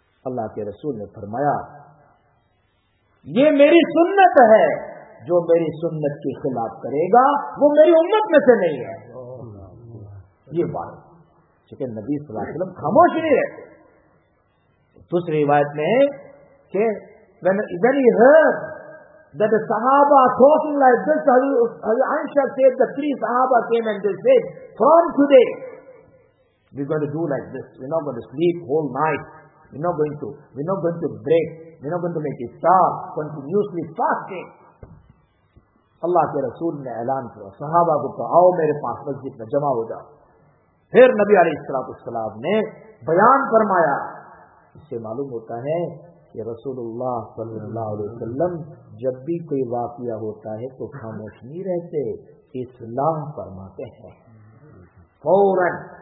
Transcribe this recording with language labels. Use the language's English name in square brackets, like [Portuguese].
[Urdu] اللہ کے رسول نے فرمایا یہ میری سنت ہے، جو میری سنت کے خلاف کرے گا وہ میری امت میں سے نہیں ہے. یہ بات چونکہ نبی صلی اللہ علیہ وسلم خاموش نہیں رہتے. دوسری روایت میں کہ [English] when he heard that the sahaba talking like this, Aisha said the three sahaba came and they said from today we're going to do like this, we're not going to sleep whole night, we're not going to break, we're not going to make iftar, continuously fasting. [Urdu] اللہ کے رسول نے اعلان کیا صحابہ کو کہ آؤ میرے پاس مسجد میں جمع ہو جاؤ. پھر نبی علیہ الصلوۃ والسلام نے بیان فرمایا. اس سے معلوم ہوتا ہے کہ رسول اللہ صلی اللہ علیہ وسلم جب بھی کوئی واقعہ ہوتا ہے تو خاموش نہیں رہتے، اسلام فرماتے ہیں فوراً.